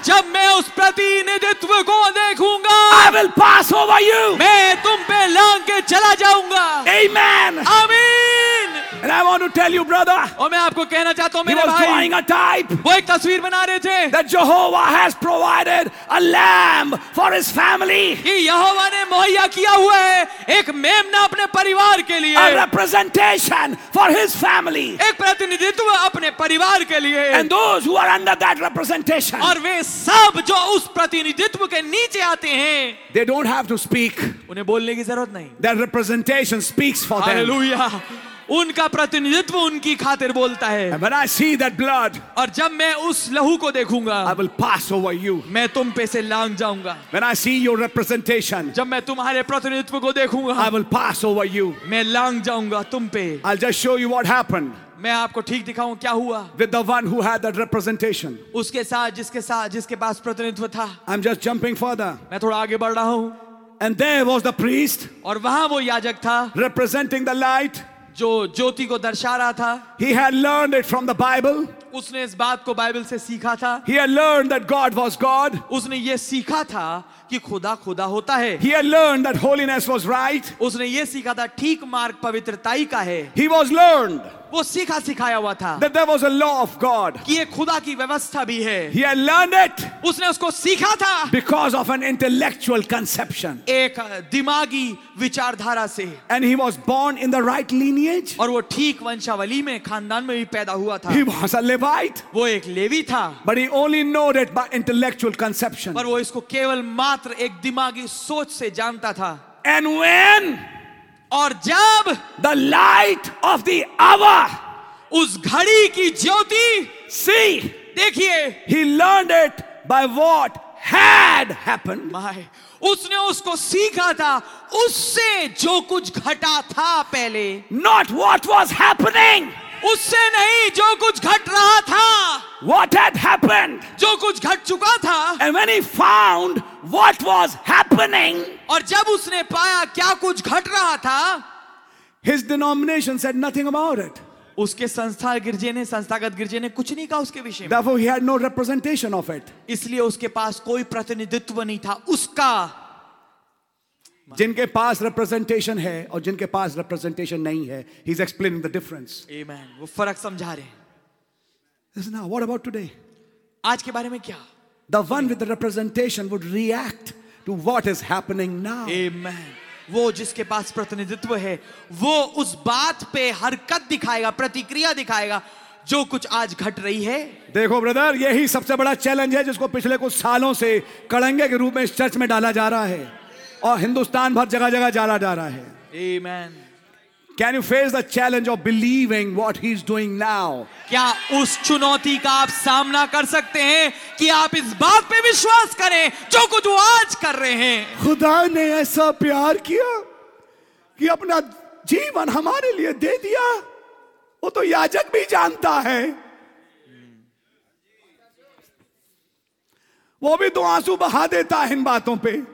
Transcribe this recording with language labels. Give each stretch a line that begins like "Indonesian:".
Hindi: जब मैं उस प्रतिनिधित्व को देखूंगा,
English: I will pass over you.
Hindi: मैं तुम पे लांग के चला जाऊंगा.
English: Amen. Amen. And I want to tell you, brother.
Hindi: और मैं आपको कहना चाहता हूँ मेरे
English: भाई. He was drawing a type.
Hindi: वो एक तस्वीर बना रहे थे.
English: That Jehovah has provided a lamb for his family.
Hindi: कि यहोवा ने मुहैया किया हुआ है एक मेमना अपने परिवार के लिए.
English: A representation for his family.
Hindi: एक प्रतिनिधित्व अपने परिवार के लिए.
English: And those who are under that representation.
Hindi: और वे सब जो उस प्रतिनिधित्व के नीचे आते हैं.
English: They don't have to speak.
Hindi: उन्हें बोलने की जरूरत नहीं.
English: Their representation speaks for them. Hallelujah.
Hindi: उनका प्रतिनिधित्व उनकी खातिर बोलता है.
English: When I see that blood,
Hindi: और जब मैं उस लहू को देखूंगा,
English: I will pass over you.
Hindi: मैं तुम पे से लांग जाऊंगा.
English: When I see your representation,
Hindi: जब मैं तुम्हारे प्रतिनिधित्व को देखूंगा,
English: I will pass over you.
Hindi: मैं लांग जाऊंगा तुम पे.
English: I'll just show you what happened.
Hindi: मैं आपको ठीक दिखाऊं क्या हुआ.
English: With the one who had that representation,
Hindi: उसके साथ जिसके साथ जिसके पास प्रतिनिधित्व था.
English: I'm just jumping further.
Hindi: मैं थोड़ा आगे बढ़ रहा हूं.
English: And there was the priest,
Hindi: और वहां वो याजक था,
English: representing the light.
Hindi: जो ज्योति को दर्शा रहा था.
English: He had learned it from the Bible.
Hindi: उसने इस बात को बाइबल से सीखा था.
English: He had learned that God was God.
Hindi: उसने ये सीखा था कि खुदा खुदा होता है.
English: He had learned that holiness was right.
Hindi: उसने ये सीखा था ठीक मार्ग पवित्रताई का है.
English: He was learned.
Hindi: वो सीखा सिखाया हुआ था.
English: That there was a law of God.
Hindi: कि ये खुदा की व्यवस्था भी है.
English: He had learned it.
Hindi: उसने उसको सीखा था.
English: Because of an intellectual conception.
Hindi: एक दिमागी विचारधारा से.
English: And he was born in the right lineage.
Hindi: और वो ठीक वंशावली में खानदान में भी पैदा हुआ था.
English: He was a Levite.
Hindi: वो एक लेवी था.
English: But he only knew it by intellectual conception.
Hindi: पर वो इसको केवल मात्र एक दिमागी सोच से जानता था.
English: And when
Hindi: और जब
English: the light of the hour
Hindi: उस घड़ी की ज्योति
English: see
Hindi: देखिए
English: he learned it by what had happened
Hindi: my उसने उसको सीखा था उससे जो कुछ घटा था पहले
English: not what was happening
Hindi: उससे नहीं जो कुछ घट रहा था
English: what had happened
Hindi: जो कुछ घट चुका था
English: and when he found what was happening
Hindi: और जब उसने पाया क्या कुछ घट रहा था
English: his denomination said nothing about it
Hindi: उसके संस्था गिरजे ने संस्थागत गिरजे ने कुछ नहीं कहा उसके विषय में
English: therefore he had no representation of it
Hindi: इसलिए उसके पास कोई प्रतिनिधित्व नहीं था उसका जिनके पास रिप्रेजेंटेशन है और जिनके पास रिप्रेजेंटेशन नहीं है
English: he is explaining the difference
Hindi: आमेन वो फर्क समझा रहे
English: हैं now what about today
Hindi: आज के बारे में क्या
English: the one with the representation would react to what is happening now
Hindi: आमेन वो जिसके पास प्रतिनिधित्व है वो उस बात पे हरकत दिखाएगा प्रतिक्रिया दिखाएगा जो कुछ आज घट रही है देखो ब्रदर यही सबसे बड़ा चैलेंज है जिसको पिछले कुछ सालों से कड़ंगे के रूप में इस चर्च में डाला जा रहा है और हिंदुस्तान भर जगह जगह जाला जा रहा है
English: Amen. Can you face the challenge of believing what he's doing now?
Hindi: क्या उस चुनौती का आप सामना कर सकते हैं कि आप इस बात पे विश्वास करें जो कुछ वो आज कर रहे हैं खुदा ने ऐसा प्यार किया कि अपना जीवन हमारे लिए दे दिया वो तो याजक भी जानता है वो भी तो आंसू बहा देता है इन बातों पे